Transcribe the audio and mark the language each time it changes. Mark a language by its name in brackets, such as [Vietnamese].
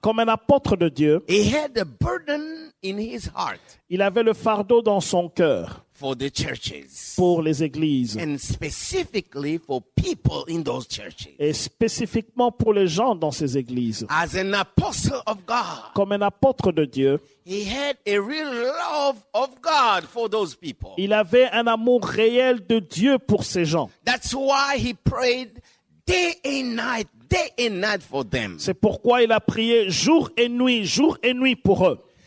[French] Comme un apôtre de Dieu, [English] he had a burden in his heart. [French] Il avait le fardeau dans son cœur. [English] For the churches. [French] Pour les églises. [English] And specifically for people in those churches. [French] Et spécifiquement pour les gens dans ces églises. [English] As an apostle of God. [French] Comme un apôtre de Dieu, [English] he had a real love of God for those people. [French] Il avait un amour réel de Dieu pour ces gens. [English] That's why he prayed day and night. Day and night for them. [French] C'est pourquoi il a prié jour et nuit pour eux.